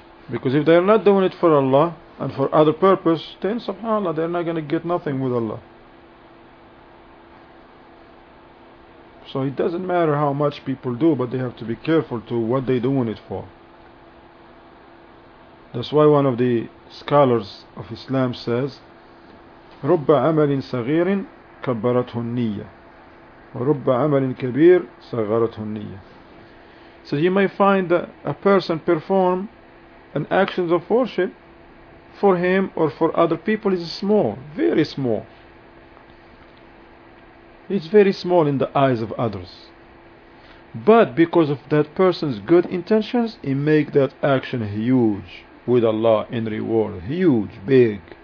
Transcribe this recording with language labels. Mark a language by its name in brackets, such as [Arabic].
[English] Because if they are not doing it for Allah and for other purpose, then subhanAllah, they are not going to get nothing with Allah. So it doesn't matter how much people do, but they have to be careful to what they are doing it for. That's why one of the scholars of Islam says, [Arabic] رُبَّ عَمَلٍ صَغِيرٍ كَبَّرَتْهُ النِّيَّةِ وَرُبَّ عَمَلٍ كَبِيرٍ صَغَرَتْهُ النِّيَّةِ. [English] So you may find that a person perform an action of worship for him or for other people is small, very small. It's very small in the eyes of others. But because of that person's good intentions, he make that action huge with Allah in reward. Huge, big.